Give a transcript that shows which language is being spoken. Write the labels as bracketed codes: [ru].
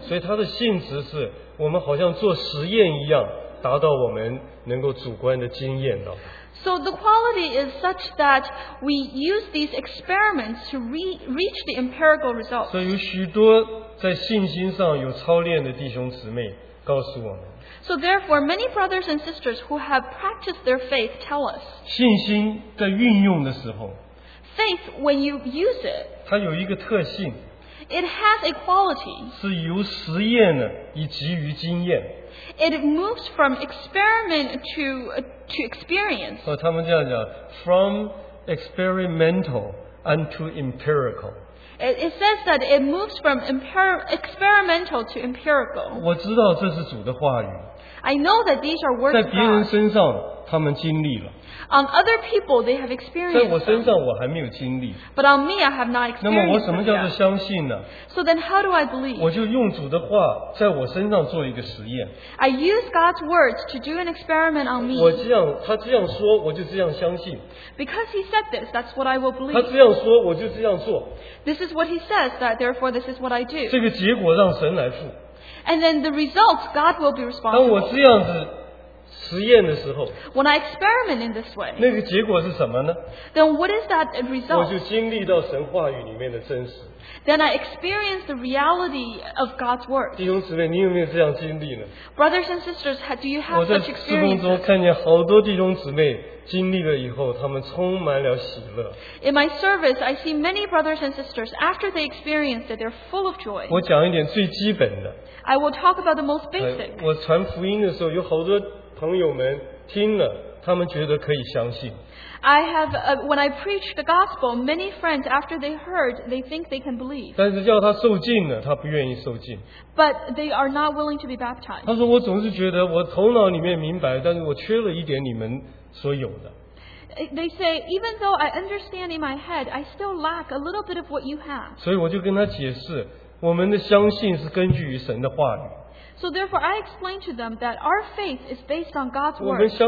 [zh] 所以他的性质是, 我们好像做实验一样, 达到我们能够主观的经验到。 [en] So the quality is such that we use these experiments to reach the empirical results. [zh] 所以有许多在信心上有操练的弟兄姊妹 告诉我们。 [en] So therefore, many brothers and sisters who have practiced their faith tell us. [zh] 信心在运用的时候, [en] faith, when you use it, [zh] 它有一个特性, [en] it has a quality. [zh] 是由实验的以及于经验。 [en] It moves from experiment to experience. [zh] 他们这样讲, [en] from experimental unto empirical. It says that it moves from experimental to empirical. [zh] 我知道这是主的话语。 [en] I know that these are words of God. [zh] 在别人身上, 他们经历了。 [en] On other people, they have experienced. [zh] 在我身上我还没有经历。 [en] But on me, I have not experienced. [zh] 那么我什么叫做相信呢? [en] So then how do I believe? [zh] 我就用主的话在我身上做一个实验。 [en] I use God's words to do an experiment on me. [zh] 他这样说我就这样相信。 [en] Because he said this, that's what I will believe. [zh] 他这样说我就这样做。 [en] This is what he says, that therefore this is what I do. [zh] 这个结果让神来付。 [en] And then the results, God will be responsible. [zh] 当我这样子, 实验的时候, [en] when I experiment in this way, [zh] 那个结果是什么呢? [en] Then what is that result? [zh] 我就经历到神话语里面的真实。 [en] Then I experience the reality of God's word. [zh] 弟兄姊妹, 你有没有这样经历呢? [en] Brothers and sisters, do you have such experiences? [zh] 我在侍奉中看见好多弟兄姊妹经历了以后, 他们充满了喜乐。 [en] In my service, I see many brothers and sisters, after they experience it, they're full of joy. [zh] 我讲一点最基本的。 [en] I will talk about the most basic. [zh] 我传福音的时候, 有好多朋友们听了,他们觉得可以相信。 [en] I have, when I preach the gospel, many friends, after they heard, they think they can believe. [zh] 但是叫他受浸了,他不愿意受浸。 [en] But they are not willing to be baptized. [zh] 他说,我总是觉得我头脑里面明白, 但是我缺了一点你们所有的。 [en] They say, even though I understand in my head, I still lack a little bit of what you have. [zh] 所以我就跟他解释, 我们的相信是根据于神的话语。 [en] So therefore, I explain to them that our faith is based on God's word.